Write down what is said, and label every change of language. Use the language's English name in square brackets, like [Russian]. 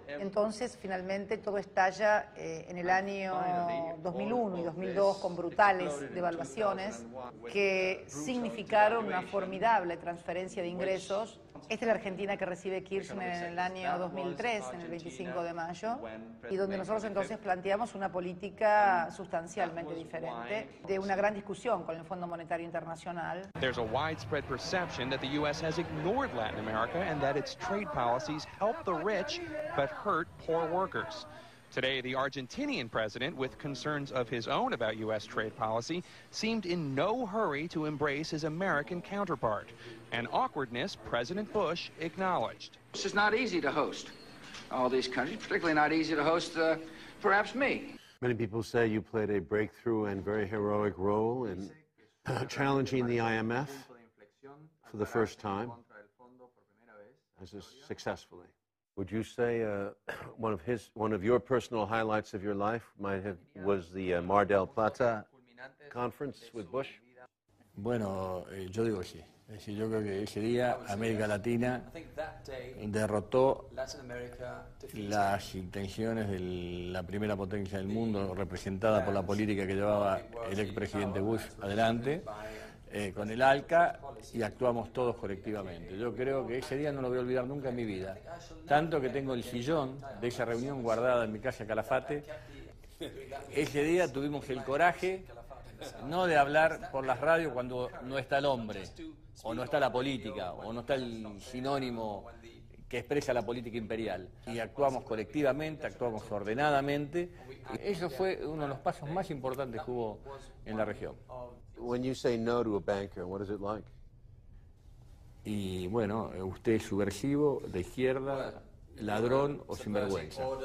[Spanish] Entonces, finalmente, todo estalla en el año 2001 y 2002 con brutales devaluaciones que significaron una formidable transferencia de ingresos. Esta es la Argentina que recibe Kirchner en el año 2003, en el 25 de mayo, y donde nosotros entonces planteamos una política sustancialmente diferente, de una gran discusión con el Fondo Monetario Internacional. [English] There's a widespread perception that the U.S. has ignored Latin America and that its trade policies help the rich but hurt poor workers. Today, the Argentinian president, with concerns of his own about U.S. trade policy, seemed in no hurry to embrace his American counterpart. An awkwardness President Bush acknowledged. This is not easy to host all these countries, particularly not easy to host perhaps me. Many people say you played a breakthrough and very heroic role in challenging the IMF for the first time, as successfully. Would you say one of your personal highlights of your life was the Mar del Plata conference with Bush? [Spanish] Bueno, yo digo sí. Es decir, yo creo que ese día América Latina derrotó las intenciones de la primera potencia del mundo, representada por la política que llevaba el expresidente Bush adelante, con el ALCA, y actuamos todos colectivamente. Yo creo que ese día no lo voy a olvidar nunca en mi vida. Tanto que tengo el sillón de esa reunión guardada en mi casa Calafate. Ese día tuvimos el coraje no de hablar por las radios cuando no está el hombre, o no está la política, o no está el sinónimo que expresa la política imperial. Y actuamos colectivamente, actuamos ordenadamente. Y eso fue uno de los pasos más importantes que hubo en la región. [English] When you say no to a banker, what is it like? [Spanish] Y bueno, usted es subversivo, de izquierda, ladrón o sinvergüenza.